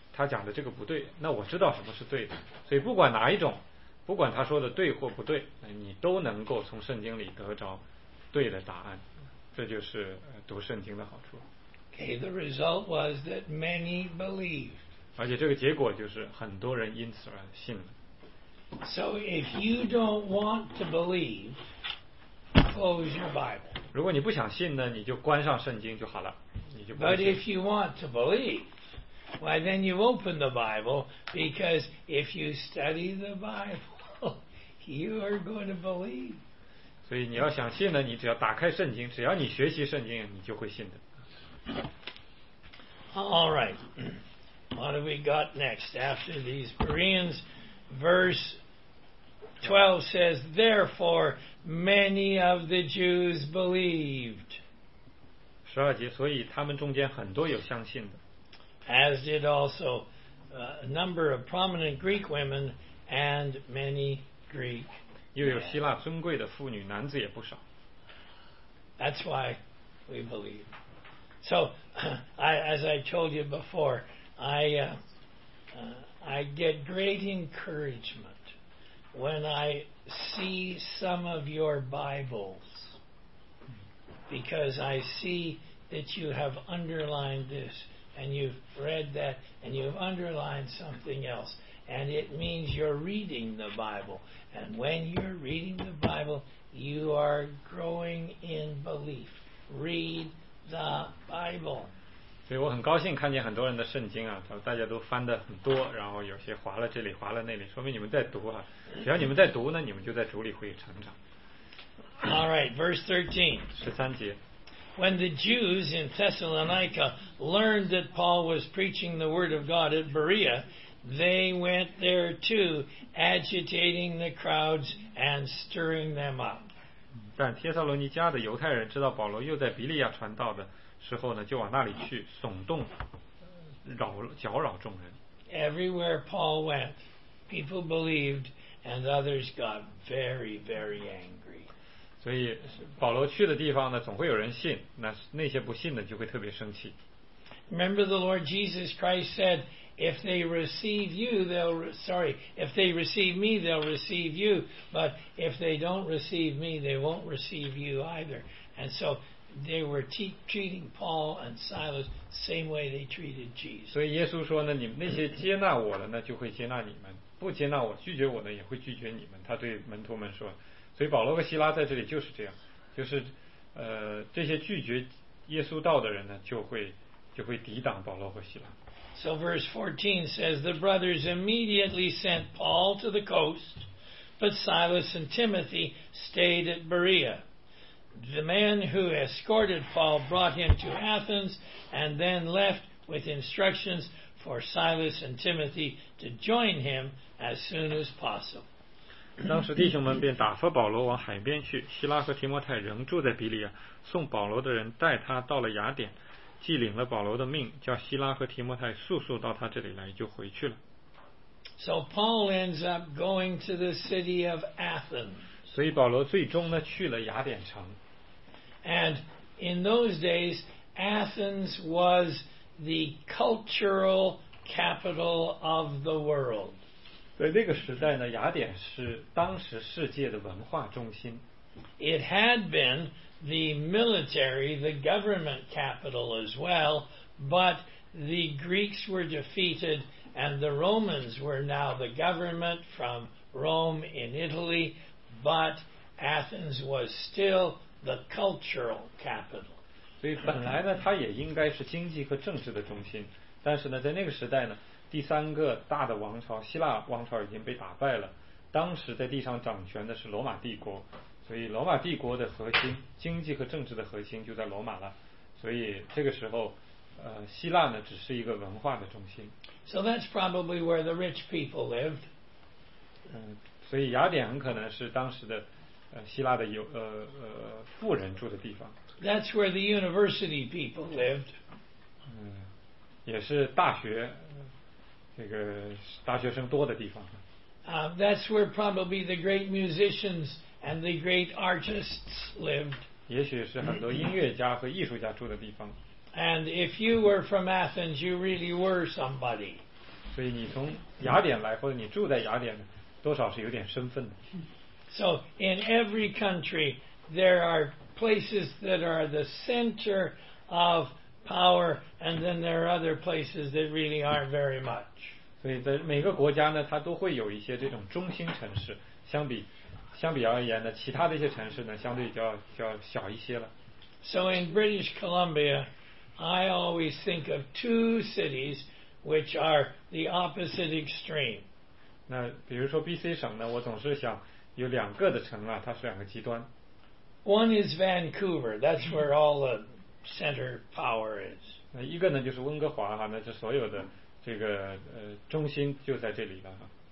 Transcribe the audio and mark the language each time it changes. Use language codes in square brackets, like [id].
[zh] 他讲的这个不对，那我知道什么是对的，所以不管哪一种，不管他说的对或不对，你都能够从圣经里得着对的答案，这就是读圣经的好处。 [en] Okay, the result was that many believed. [zh] 而且这个结果就是很多人因此而信了。 [en] So if you don't want to believe, close your Bible. [zh] 如果你不想信呢，你就关上圣经就好了，你就不信。 [en] But if you want to believe,Why then you open the Bible, because if you study the Bible, you are going to believe. [zh] 所以你要想信呢，你只要打开圣经，只要你学习圣经，你就会信的。 [en] All right. What have we got next after these Bereans? Verse 12 says, Therefore, many of the Jews believed. [zh] 十二节，所以他们中间很多有相信的。 [en] As did also a number of prominent Greek women and many Greek men. [zh] 又有希腊尊贵的妇女，男子也不少。 [en] That's why we believe. So, as I told you before, I get great encouragement when I see some of your Bibles because I see that you have underlined this. And you've read that, and you've underlined something else. And it means you're reading the Bible. And when you're reading the Bible, you are growing in belief. Read the Bible. [zh] 所以我很高兴看见很多人的圣经啊，大家都翻得很多，然后有些划了这里，划了那里，说明你们在读啊。只要你们在读呢，你们就在主里会成长。 [en] All right, verse 13. [zh] 十三节。 [en] When the Jews in Thessalonica learned that Paul was preaching the word of God at Berea, they went there too, agitating the crowds and stirring them up. [zh] 但帖撒罗尼迦的犹太人知道保罗又在比利亚传道的时候呢，就往那里去，耸动，搅扰众人。 [en] Everywhere Paul went, people believed, and others got very, very angry. [zh] 所以保罗去的地方呢，总会有人信，那些不信的就会特别生气。 [en] Remember the Lord Jesus Christ said, if they receive you, they'll if they receive me, they'll receive you. But if they don't receive me, they won't receive you either. And so they were treating Paul and Silas the same way they treated Jesus. [zh] 所以耶稣说呢，你们那些接纳我的呢，就会接纳你们；不接纳我、拒绝我的，也会拒绝你们。他对门徒们说。所以保罗和希拉在这里就是这样，就是这些拒绝耶稣道的人呢，就会抵挡保罗和希拉。 [en] So verse 14 says the brothers immediately sent Paul to the coast, but Silas and Timothy stayed at Berea. The man who escorted Paul brought him to Athens and then left with instructions for Silas and Timothy to join him as soon as possible. [zh] 当时弟兄们便打发保罗往海边去，希拉和提摩太仍住在比利亚，送保罗的人带他到了雅典，既领了保罗的命，叫希拉和提摩太速速到他这里来，就回去了。 [en] So Paul ends up going to the city of Athens. [zh] 所以保罗最终呢去了雅典城。 [en] And in those days Athens was the cultural capital of the world. [zh] 在那个时代呢，雅典是当时世界的文化中心。 [en] It had beenThe military, the government capital as well, but the Greeks were defeated and the Romans were now the government from Rome in Italy, but Athens was still the cultural capital. [zh] 所以本来呢，它也应该是经济和政治的中心，但是呢，在那个时代呢，第三个大的王朝，希腊王朝已经被打败了，当时在地上掌权的是罗马帝国。所以罗马帝国的核心，经济和政治的核心就在罗马了。所以这个时候，希腊呢只是一个文化的中心。 [en] So that's probably where the rich people lived. [zh] 所以雅典很可能是当时的希腊的富人住的地方。 [en] That's where the university people lived. [zh] 也是大学这个大学生多的地方。 [en] That's where probably the great musicians. And the great artists lived. [zh] 也许是很多音乐家和艺术家住的地方。 [en] And if you were from Athens, you really were somebody. [zh] 所以你从雅典来，或者你住在雅典，多少是有点身份的。 [en] So in every country, there are places that are the center of power, and then there are other places that really aren't very much. [zh] 所以在每个国家呢，它都会有一些这种中心城市，相比而言呢，其他的一些城市呢，相对就要小一些了。 [en] So in British Columbia, I always think of two cities which are the opposite extreme. [zh] 那比如说 BC 省呢，我总是想有两个的城啊，它是两个极端。 [en] One is Vancouver. That's where all the center power is. [zh] 那一个呢就是温哥华哈，那是所有的这个中心就在这里了哈。